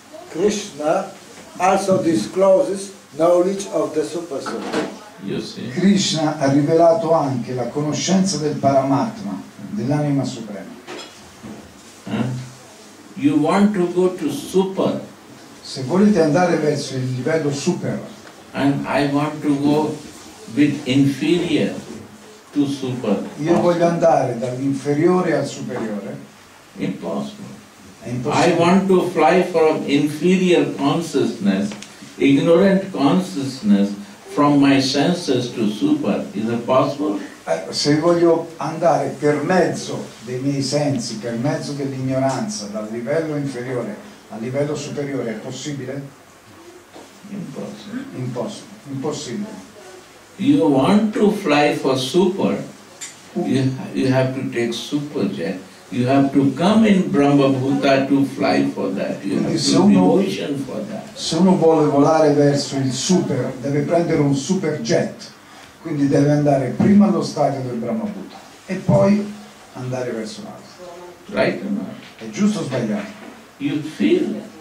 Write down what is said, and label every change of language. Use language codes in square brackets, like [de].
[en] Krishna also discloses knowledge of the super soul. You see? [it] Krishna ha rivelato anche la conoscenza del Paramatma, dell'anima suprema. [en] You want to go to super. [it] Se volete andare verso il livello super. [en] And I want to go with inferior to super. Io voglio andare dall'inferiore al superiore. Impossible. I want to fly from inferior consciousness, ignorant consciousness, from my senses to super. Is it possible? [it] Se voglio andare per mezzo dei miei sensi, per mezzo dell'ignoranza, dal livello inferiore al livello superiore, è possibile? [en] Impossible. Impossible. [it] Impossibile. [en] You want to fly for super, you have to take super jet. You have to come in Brahma Bhuta to fly for that. You have to be ocean for that. [it] Se uno vuole volare verso il super, deve prendere un super jet. Quindi deve andare prima allo stadio del Brahma Bhuta e poi andare verso l'altro. [en] Right or not? [it] È giusto o sbagliato? [en] You feel.